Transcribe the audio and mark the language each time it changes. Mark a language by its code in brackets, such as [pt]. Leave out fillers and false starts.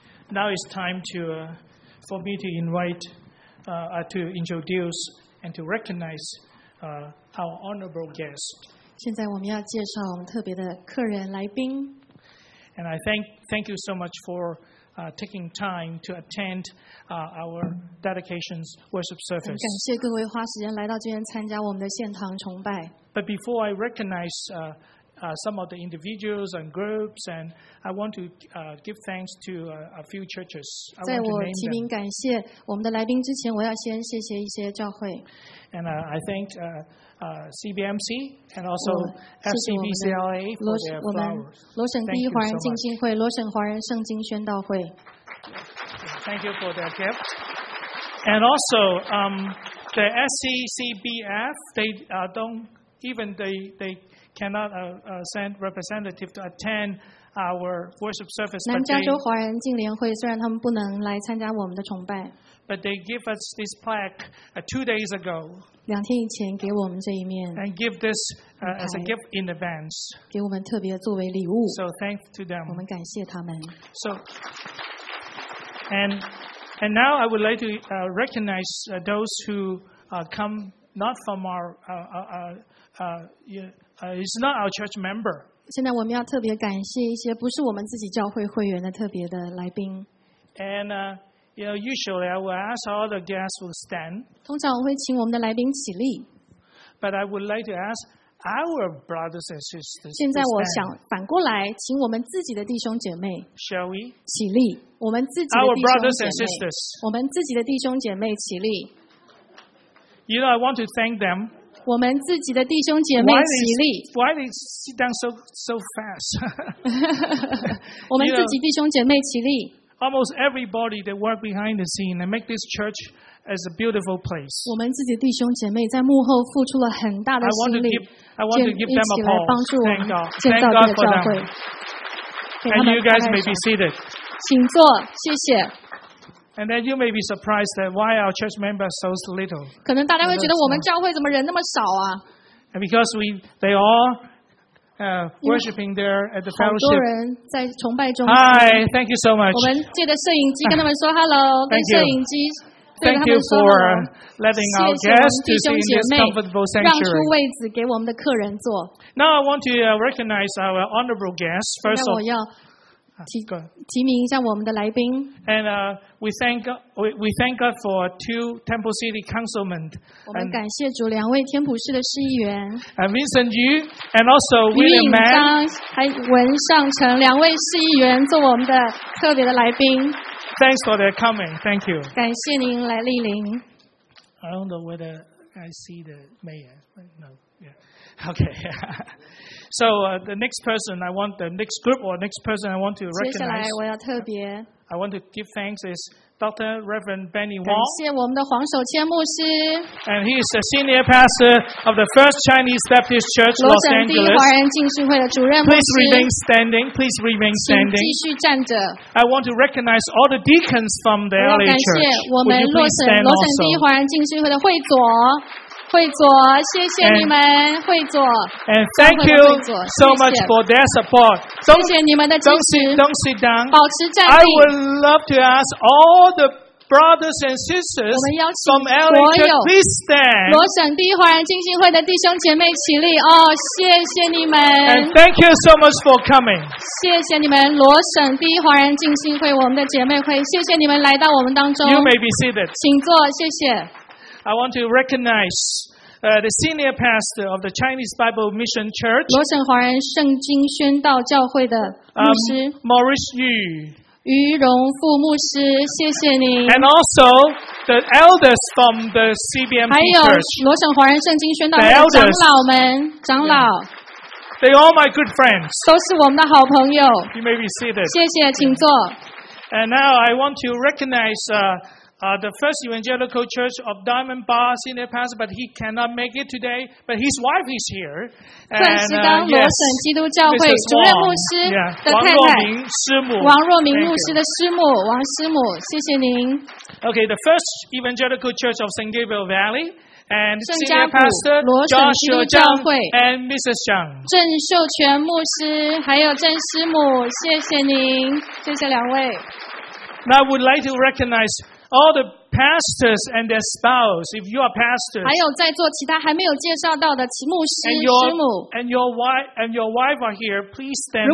[en] Now it's time for me to invite, to introduce and to recognize our honorable guest. [zh] 现在我们要介绍我们特别的客人来宾。 [en] And I thank you so much for taking time to attend our dedication's worship service. [zh] 感谢各位花时间来到这边参加我们的献堂崇拜。 [en] But before I recognize some of the individuals and groups, and I want to give thanks to a few churches. [zh] 在我提名感谢我们的来宾之前，我要先谢谢一些教会。 [en] And I thank CBMC and also FCBCLA for their flowers. [zh] 罗省第一华人敬信会，罗省华人圣经宣道会。 [en] Thank you for their gift. And also, the SCCBF, they cannot send representative to attend our worship service. [zh] 南加州华人敬联会虽然他们不能来参加我们的崇拜 [en] ，but they give us this plaque 2 days ago. [zh] 两天以前给我们这一面 [en] ，and give this as a gift in advance. [zh] 给我们特别作为礼物。 [en] So thanks to them. [zh] 我们感谢他们。 [en] So and now I would like to recognize those who come not from our It's not our church member. [zh] 现在我们要特别感谢一些不是我们自己教会会员的特别的来宾。 [en] And usually I will ask all the guests to stand. [zh] 通常我会请我们的来宾起立。 [en] But I would like to ask our brothers and sisters to stand. [zh] 现在我想反过来请我们自己的弟兄姐妹。 [en] Shall we? [zh] 起立，我们自己的弟兄姐妹。 [en] Our brothers and sisters. [zh] 我们自己的弟兄姐妹起立。 [en] You know, I want to thank them. [zh] 我们自己的弟兄姐妹起立。 [en] Why they sit down so fast? [zh] 我们自己弟兄姐妹起立。 [en] Almost everybody that work behind the scene and make this church as a beautiful place. [zh] 我们自己弟兄姐妹在幕后付出了很大的心力。 [en] I want to give them a pause. Thank God. Thank God for them. And you guys may be seated. [zh] 请坐，谢谢。 [en] And then you may be surprised that why our church members so little. [zh] 可能大家会觉得我们教会怎么人那么少啊 [en] ？And because they all worshiping there at the fellowship. [zh] 好多人在崇拜中。 [en] Hi, thank you so much. [zh] 我们借着摄影机跟他们说 hello， 跟摄影机对他们说 [en] Thank you for letting our guests to sit in this comfortable sanctuary. [zh] 让出位置给我们的客人坐。 [en] Now I want to recognize our honorable guests. First of all. [zh] 提名一下我们的来宾。 [en] And we thank God for two Temple City councilmen. [zh] 我们感谢主两位天普市的市议员。 [en] And Vincent Yu and also William Mann. [zh] 还有文尚成两位市议员做我们的特别的来宾。 [en] Thanks for their coming. Thank you. [zh] 感谢您来莅临。 [en] I don't know whether I see the mayor. No. Yeah. Okay. So the next person I want, the next group or next person I want to recognize. [zh] 接下来我要特别。 [en] I want to give thanks is Dr. Reverend Benny Wong. [zh] 感谢我们的黄守谦牧师。 [en] And he is the senior pastor of the First Chinese Baptist Church, Los Angeles. [zh] 罗省第一华人敬信会的主任牧师。 [en] Please remain standing. Please remain standing. [zh] 请继续站着。 [en] I want to recognize all the deacons from the LA Church. [zh] 我要感谢我们罗省第一华人敬信会的会左。慧左，谢谢你们，慧左。 [en] And thank you so much for their support. [zh] 谢谢你们的支持。 [en] Don't sit down. [zh] 保持站立。 [en] I would love to ask all the brothers and sisters from Ellington, please stand. [zh] 罗省第一华人浸信会的弟兄姐妹起立。哦，谢谢你们。 [en] And thank you so much for coming. [zh] 谢谢你们，罗省第一华人浸信会我们的姐妹会，谢谢你们来到我们当中。 [en] You may be seated. [zh] 请坐，谢谢。 [en] I want to recognize. The senior pastor of the Chinese Bible Mission Church, [zh] 罗省华人圣经宣道教会的牧师 [en] Maurice Yu, [zh] 余荣富牧师，谢谢你。 [en] And also the elders from the CBMP Church, [zh] 还有罗省华人圣经宣道的长老们，长老。 [en] They all my good friends, [zh] 都是我们的好朋友。 [en] You may be seated. [zh] 谢谢，请坐。 [en] And now I want to recognize. The First Evangelical Church of Diamond Bar Senior Pastor, but he cannot make it today. But his wife is here. [zh] 钻石冈罗省基督教会主任牧师的太太，王若明师母，王若明牧师的师母，王师母，谢谢您。 [en] Okay, the First Evangelical Church of San Gabriel Valley and Senior Pastor Joshua Zhang and Mrs. Zhang. [zh] 郑秀全牧师还有郑师母，谢谢您，谢谢两位。 [en] Now I would like to recognize. All the pastors and their spouse, if you are pastors, [zh] 还有在座其他还没有介绍到的其牧师、 [en] and your, [zh] 师母 [en] and your wife are here, please stand up.